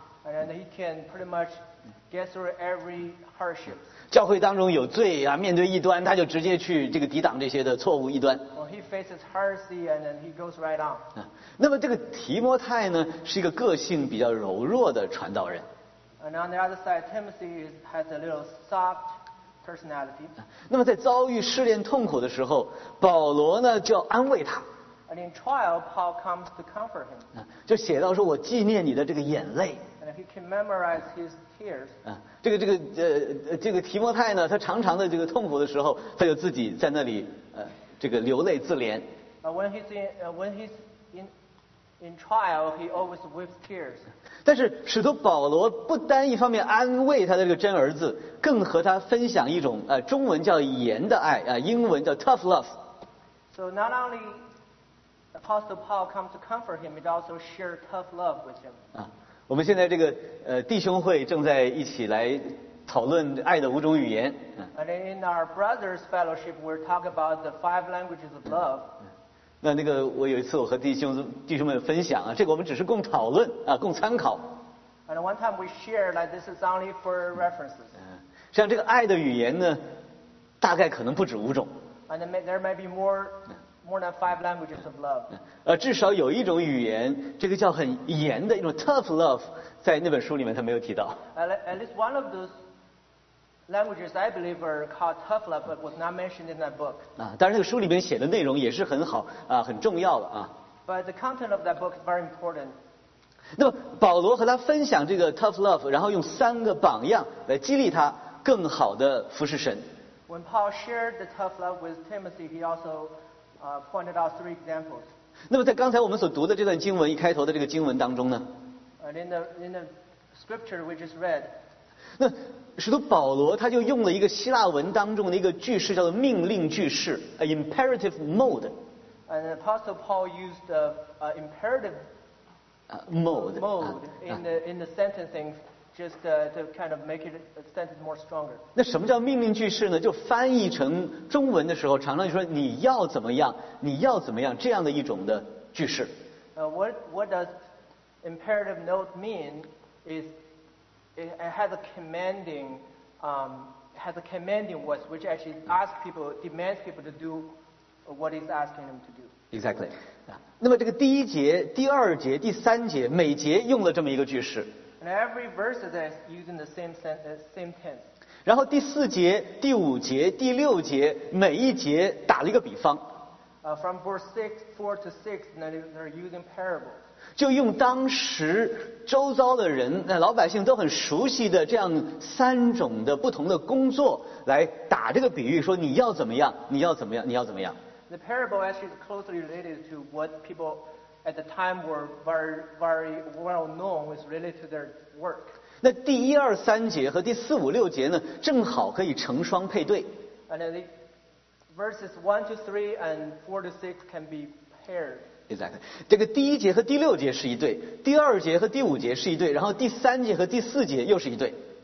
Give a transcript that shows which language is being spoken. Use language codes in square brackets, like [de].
[en] And he can pretty much get through every hardship. [zh] 教会当中有罪啊，面对异端，他就直接去这个抵挡这些的错误异端。 [en] Well, he faces heresy and then he goes right on. [zh] 那么这个提摩太呢，是一个个性比较柔弱的传道人。 [en] And on the other side, Timothy has a little soft personality. [zh] 那么在遭遇试炼痛苦的时候，保罗呢就要安慰他。 [en] And in trial, Paul comes to comfort him. [zh] 就写到说，我纪念你的这个眼泪。 [en] And he can memorize his tears. [zh] 这个提摩太呢，他常常的这个痛苦的时候，他就自己在那里这个流泪自怜。 [en] When he's in trial, he always weeps tears. [zh] 但是使徒保罗不单一方面安慰他的这个真儿子，更和他分享一种中文叫盐的爱英文叫 tough love. [en] So not only Apostle Paul comes to comfort him, but also share tough love with him. [zh] 我们现在这个弟兄会正在一起来讨论爱的五种语言。 [en] And in our brothers' fellowship, we're talking about the five languages of love. [zh] 那个我有一次我和弟兄们分享啊，这个我们只是共讨论啊，共参考。 [en] And one time we shared like this is only for references. [zh] 像这个爱的语言呢，大概可能不止五种。 [en] And there may be more than five languages of love. [zh] 至少有一种语言，这个叫很严的一种 tough love， 在那本书里面他没有提到。 [en] At least one of those languages I believe are called tough love, but was not mentioned in that book. [zh] 当然那个书里面写的内容也是很好啊，很重要的啊。 [en] But the content of that book is very important. [zh] 那么保罗和他分享这个 tough love， 然后用三个榜样来激励他更好的服侍神。 [en] When Paul shared the tough love with Timothy, he also pointed out three examples. [zh] 那么在刚才我们所读的这段经文一开头的这个经文当中呢？ [en] In the scripture we just read. [zh] 那使徒保罗他就用了一个希腊文当中的一个句式叫做命令句式 imperative mode. [en] And Apostle Paul used the imperative mode in the sentencing just to kind of make it a sentence more stronger. [zh] 那什么叫命令句式呢？就翻译成中文的时候，常常就说你要怎么样，你要怎么样这样的一种的句式。 [en] What does imperative mode mean is it has a commanding voice, which actually demands people to do what he's asking them to do. Exactly. [zh] 那么这个第一节、第二节、第三节，每节用了这么一个句式。 [en] And every verse is using the same tense. [zh] 然后第四节、第五节、第六节，每一节打了一个比方。 [en] From verse 4 to 6, they're using parables. [zh] 就用当时周遭的人、老百姓都很熟悉的这样三种的不同的工作来打这个比喻，说你要怎么样，你要怎么样，你要怎么样。 [en] The parable actually is closely related to what people at the time were very, very well known was related to their work. [zh] 那第一二三节和第四五六节呢，正好可以成双配对。 [en] And then the verses 1 to 3 and 4 to 6 can be paired. Exactly. [zh] 这个第一节和第六节是一对，第二节和第五节是一对，然后第三节和第四节又是一对。